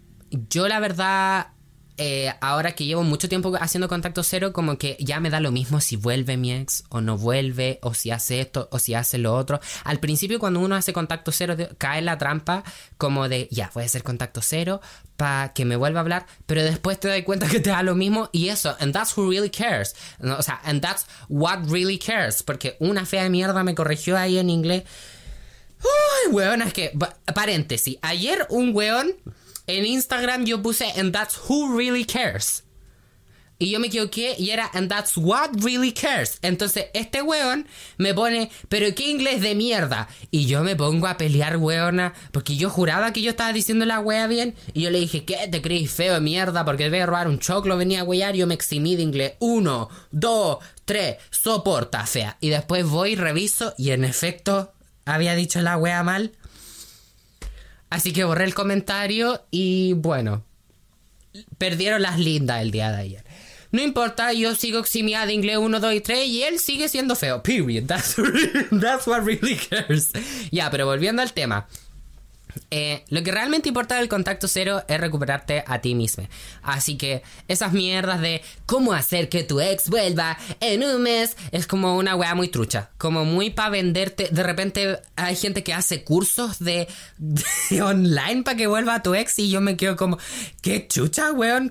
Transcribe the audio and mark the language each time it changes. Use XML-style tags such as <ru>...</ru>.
<es>Yo la verdad. Ahora que llevo mucho tiempo haciendo contacto cero, como que ya me da lo mismo si vuelve mi ex o no vuelve, o si hace esto o si hace lo otro. Al principio, cuando uno hace contacto cero, cae en la trampa como de ya, voy a hacer contacto cero para que me vuelva a hablar, pero después te das cuenta que te da lo mismo y eso.</es> <en>And that's who really cares.</en> <es>No, o sea,</es> <en>and that's what really cares.</en> <es>Porque una fea de mierda me corrigió ahí en inglés. Uy, weón, es que. Paréntesis. Ayer un weón. En Instagram yo puse</es> <en>And that's who really cares.</en> <es>Y yo me equivoqué y era</es> <en>And that's what really cares.</en> <es>Entonces este weón me pone, pero qué inglés de mierda. Y yo me pongo a pelear, weona, porque yo juraba que yo estaba diciendo la wea bien. Y yo le dije, ¿qué te crees feo de mierda? Porque voy a robar un choclo, venía a wear. Yo me eximí de inglés. Uno, dos, tres, soporta, fea. Y después voy, reviso y en efecto había dicho la wea mal. Así que borré el comentario y bueno, perdieron las lindas el día de ayer. No importa, yo sigo eximiada de inglés 1, 2 y 3 y él sigue siendo feo.</es> <en>Period. That's what really cares.</en> <es>Ya, pero volviendo al tema. Lo que realmente importa del contacto cero es recuperarte a ti misma. Así que esas mierdas de cómo hacer que tu ex vuelva en un mes es como una wea muy trucha. Como muy para venderte. De repente hay gente que hace cursos de online para que vuelva a tu ex y yo me quedo como, ¿qué chucha, weón?</es>